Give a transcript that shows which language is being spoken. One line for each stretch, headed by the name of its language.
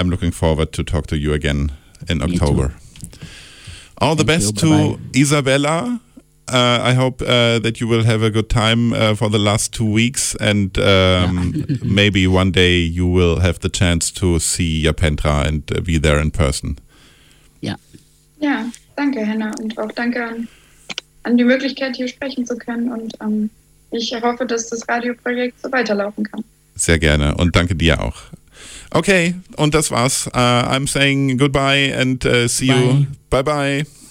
English: I'm looking forward to talk to you again in October. All the best to Isabella. I hope that you will have a good time for the last 2 weeks and maybe one day you will have the chance to see Japentra and be there in person. Yeah.
German: Yeah, danke, Hannah. Und auch danke an die Möglichkeit, hier sprechen zu können. Und ich hoffe, dass das Radioprojekt so weiterlaufen kann. Sehr gerne. Und danke dir auch. Okay, und das war's.
English: I'm saying goodbye and see you. Bye-bye.